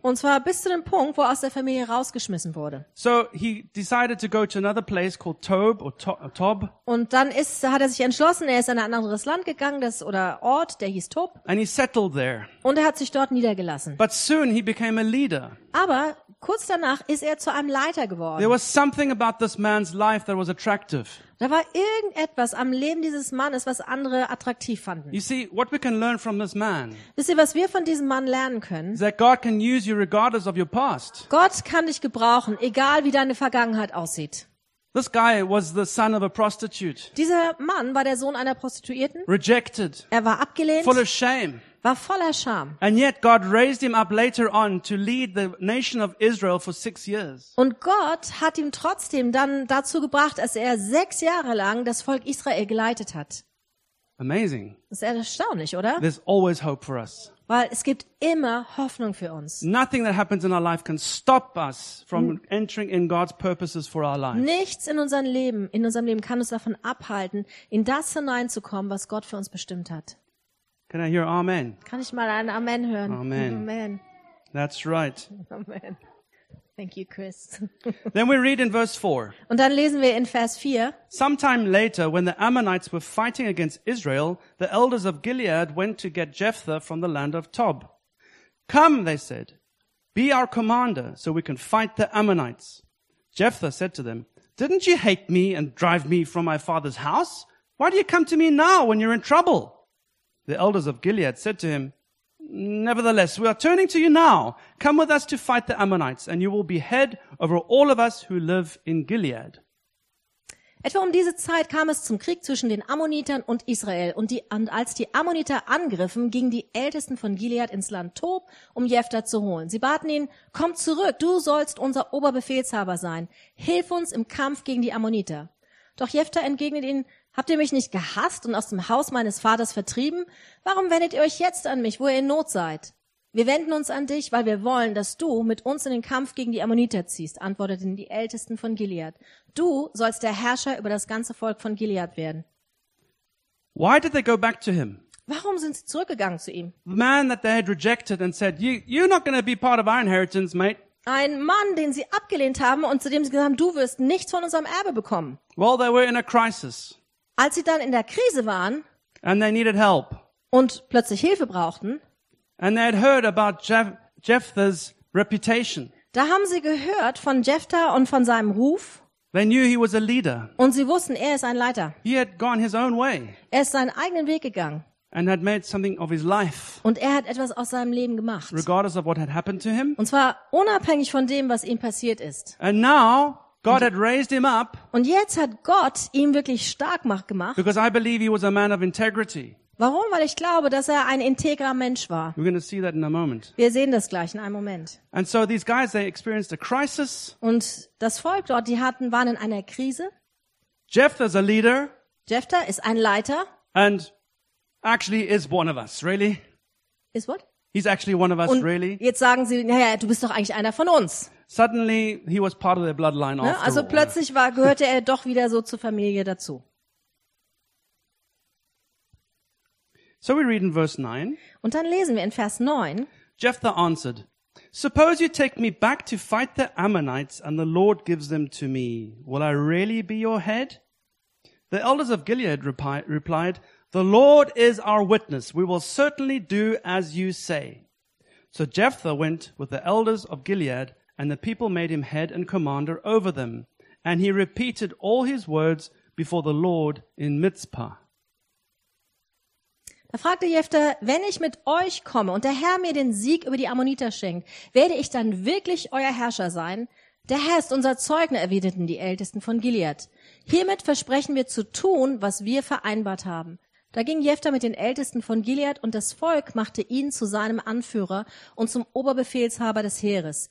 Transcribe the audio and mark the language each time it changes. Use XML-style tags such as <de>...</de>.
<de>Und zwar bis zu dem Punkt, wo er aus der Familie rausgeschmissen wurde.</de> <en>So he decided to go to another place called Tob or Tob.</en> <de>Und dann hat er sich entschlossen, er ist in ein anderes Land gegangen, Ort, der hieß Tob.</de> <en>And he settled there.</en> <de>Und er hat sich dort niedergelassen.</de> <en>But soon he became a leader.</en> <de>Aber kurz danach ist er zu einem Leiter geworden.</de> <en>There was something about this man's life that was attractive.</en> <de>Da war irgendetwas am Leben dieses Mannes, was andere attraktiv fanden.</de> <en>You see, what we can learn from this man,</en> <de>wisst ihr, was wir von diesem Mann lernen können?</de> <en>Is that God can use you regardless of your past.</en> <de>Gott kann dich gebrauchen, egal wie deine Vergangenheit aussieht.</de> <en>This guy was the son of a prostitute.</en> <de>Dieser Mann war der Sohn einer Prostituierten.</de> <en>Rejected.</en> <de>Er war abgelehnt.</de> <en>Full of shame.</en> <de>War voller Scham.</de> <en>And yet God raised him up later on to lead the nation of Israel for 6 years.</en> <de>Und Gott hat ihn trotzdem dann dazu gebracht, dass er 6 Jahre lang das Volk Israel geleitet hat.</de> <en>Amazing.</en> <de>Das ist erstaunlich, oder?</de> <en>There's always hope for us.</en> <de>Weil es gibt immer Hoffnung für uns.</de> <en>Nothing that happens in our life can stop us from entering in God's purposes for our life.</en> <de>Nichts in unserem Leben, kann uns davon abhalten, in das hineinzukommen, was Gott für uns bestimmt hat.</de> <en>Can I hear amen?</en> <de>Kann ich mal ein Amen hören? Amen. Amen.</de> <en>That's right. Amen. Thank you, Chris. Then we read in verse 4.</en> <de>Und dann lesen wir in Vers 4.</de> <en>Sometime later, when the Ammonites were fighting against Israel, the elders of Gilead went to get Jephthah from the land of Tob. Come, they said, be our commander so we can fight the Ammonites. Jephthah said to them, didn't you hate me and drive me from my father's house? Why do you come to me now when you're in trouble? The elders of Gilead said to him, Nevertheless, we are turning to you now. Come with us to fight the Ammonites, and you will be head over all of us who live in Gilead.</en> <de>Etwa um diese Zeit kam es zum Krieg zwischen den Ammonitern und Israel. Und als die Ammoniter angriffen, gingen die Ältesten von Gilead ins Land Tob, um Jephtha zu holen. Sie baten ihn, komm zurück, du sollst unser Oberbefehlshaber sein. Hilf uns im Kampf gegen die Ammoniter. Doch Jephtha entgegnet ihnen, habt ihr mich nicht gehasst und aus dem Haus meines Vaters vertrieben? Warum wendet ihr euch jetzt an mich, wo ihr in Not seid? Wir wenden uns an dich, weil wir wollen, dass du mit uns in den Kampf gegen die Ammoniter ziehst, antworteten die Ältesten von Gilead. Du sollst der Herrscher über das ganze Volk von Gilead werden.</de> <en>Why did they go back to him?</en> <de>Warum sind sie zurückgegangen zu ihm?</de> <en>The man that they had rejected and said, you're not going to be part of our inheritance, mate.</en> <de>Ein Mann, den sie abgelehnt haben und zu dem sie gesagt haben, du wirst nichts von unserem Erbe bekommen.</de> <en>Well, they were in a crisis.</en> <de>Als sie dann in der Krise waren</de> <en>and they needed help.</en> <de>Und plötzlich Hilfe brauchten,</de> <en>and they had heard about Jephthah's reputation.</en> <de>Da haben sie gehört von Jephtha und von seinem Ruf.</de> <en>They knew he was a leader.</en> <de>Und sie wussten, er ist ein Leiter.</de> <en>He had gone his own way.</en> <de>Er ist seinen eigenen Weg gegangen.</de> <en>And had made something of his life.</en> <de>Und er hat etwas aus seinem Leben gemacht.</de> <en>Regardless of what had happened to him.</en> <de>Und zwar unabhängig von dem, was ihm passiert ist.</de> <en>And now God had raised him up.</en> <de>Und jetzt hat Gott ihm wirklich stark gemacht.</de> <en>Because I believe he was a man of integrity.</en> <de>Warum? Weil ich glaube, dass er ein integrer Mensch war.</de> <en>We're going to see that in a moment.</en> <de>Wir sehen das gleich in einem Moment.</de> <en>And so these guys, they experienced a crisis.</en> <de>Und das Volk dort, die hatten, waren in einer Krise.</de> <en>Jephthah's a leader.</en> <de>Jephthah ist ein Leiter.</de> <en>And actually is one of us, really. Is what? He's actually one of us,</en> <de>und</de> <en>really.</en> <de>Jetzt sagen sie, naja, du bist doch eigentlich einer von uns.</de> <en>Suddenly he was part of their bloodline,</en> <de>ne? Also plötzlich gehörte er doch wieder so zur Familie dazu.</de> <en>So we read in verse 9.</en> <de>Und dann lesen wir in Vers 9.</de> <en>Jephthah answered, Suppose you take me back to fight the Ammonites and the Lord gives them to me. Will I really be your head? The elders of Gilead replied, The Lord is our witness. We will certainly do as you say. So Jephthah went with the elders of Gilead and the people made him head and commander over them. And he repeated all his words before the Lord in Mizpah.</en> <de>Da fragte Jephthah, wenn ich mit euch komme und der Herr mir den Sieg über die Ammoniter schenkt, werde ich dann wirklich euer Herrscher sein? Der Herr ist unser Zeugner, erwiderten die Ältesten von Gilead. Hiermit versprechen wir zu tun, was wir vereinbart haben. Da ging Jephthah mit den Ältesten von Gilead und das Volk machte ihn zu seinem Anführer und zum Oberbefehlshaber des Heeres.</de>